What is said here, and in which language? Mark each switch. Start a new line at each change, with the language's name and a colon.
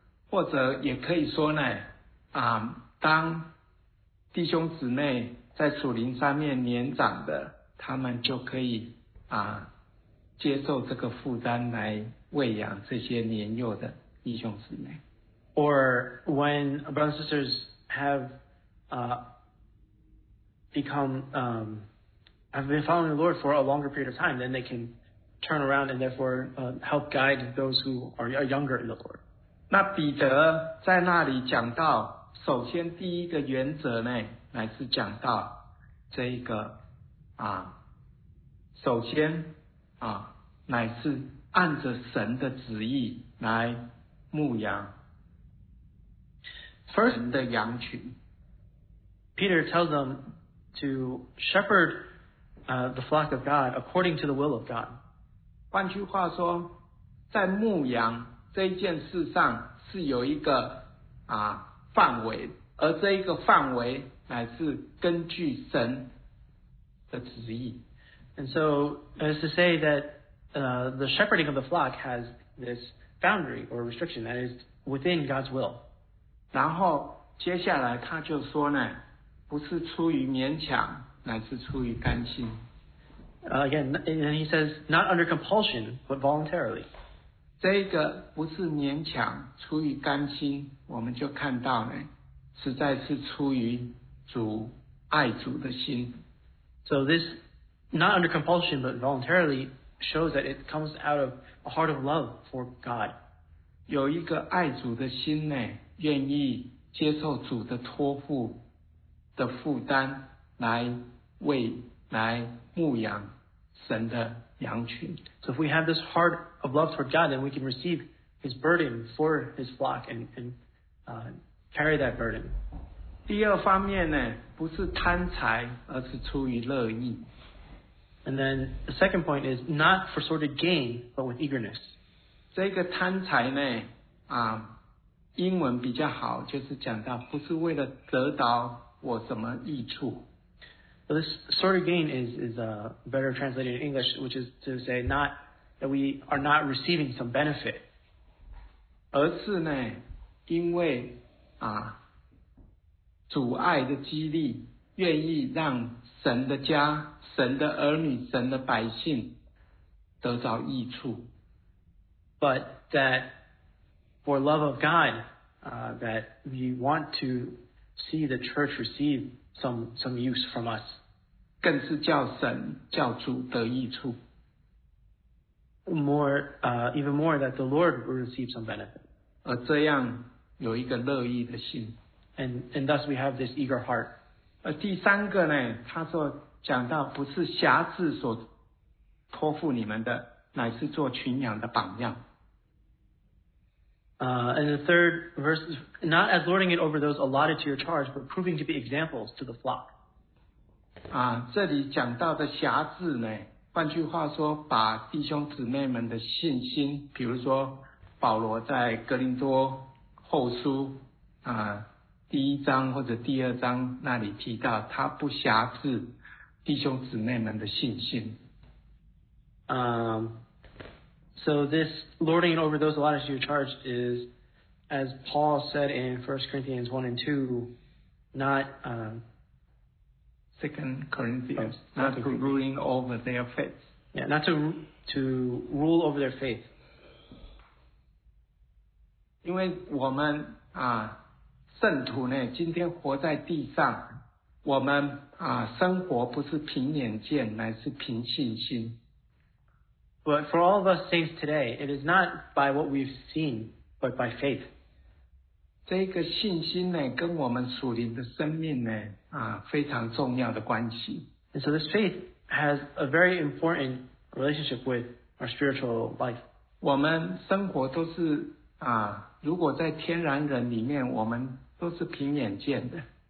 Chinese: 或者也可以说呢，啊，当弟兄姊妹在属灵上面年长的，他们就可以啊接受这个负担来喂养这些年幼的弟兄姊妹。
English: Or when brothers and sisters have become have been following the Lord for a longer period of time, then they can turn around and therefore help guide those who are younger in the Lord.
Chinese: 那彼得在那里讲到，首先第一个原则呢，乃是讲到这一个啊，首先啊，乃是按着神的旨意来牧羊
English: First,
Chinese: 神的羊群。
English: Peter tells them to shepherd the flock of God according to the will of God.
Chinese: 换句话说，在牧羊这件事上是有一个啊范围，而这一个范围乃是根据神的旨意。
English: And so, as to say that the shepherding of the flock has this boundary or restriction that is within God's will.
Chinese: 然后接下来他就说呢，不是出于勉强，乃是出于甘心。
English: Again, and he says, not under compulsion, but voluntarily.
Chinese: 这个不是勉强，出于甘心，我们就看到呢，实在是出于主爱主的心。
English: So this, not under compulsion, but voluntarily, shows that it comes out of a heart of love for God.
Chinese: 有一个爱主的心呢，愿意接受主的托付的负担来为来牧养神的羊群。
English: So if we have this heart of love for God, then we can receive His burden for His flock and carry that burden.
Chinese: 第二方面呢，不是贪财，而是出于乐意。
English: And then the second point is not for sordid gain, but with eagerness.
Chinese: 这个贪财呢，啊，英文比较好，就是讲到不是为了得到我什么益处。
English: So this sort of gain is better translated in English, which is to say not that we are not receiving some benefit.
Chinese: 而是呢，因为啊，主爱的激励，愿意让神的家、神的儿女、神的百姓得到益处。
English: But that for love of God, that we want to see the church receive some use from us.
Chinese: 更是叫神叫主得益处。
English: Even more that the Lord will receive some benefit.
Chinese: 而这样有一个乐意的心。
English: And thus we have this eager heart.
Chinese: 而第三个呢，他说讲到不是辖制所托付你们的，乃是做群羊的榜样。
English: And the third verse is not as lording it over those allotted to your charge, but proving to be examples to the flock.
Chinese: 啊，这里讲到的辖制呢，换句话说，把弟兄姊妹们的信心，比如说保罗在哥林多后书啊第一章或者第二章那里提到他不辖制弟兄姊妹们的信心。
English: So this lording over those allotted to your charge is, as Paul said in 1 Corinthians 1 and 2, not... 2 Corinthians, not to ruling over their faith. Yeah, not to rule over their faith.
Chinese: 因为我们圣徒呢，今天活在地上，我们生活不是凭眼见，乃是凭信心。
English: But for all of us saints today, it is not by what we've seen, but by faith.
Chinese: 这个信心呢，跟我们属灵的生命呢，非常重要的关系。
English: And so this faith has a very important relationship with our spiritual life.
Chinese: 我们生活都是如果在天然人里面，我们都是凭眼见的。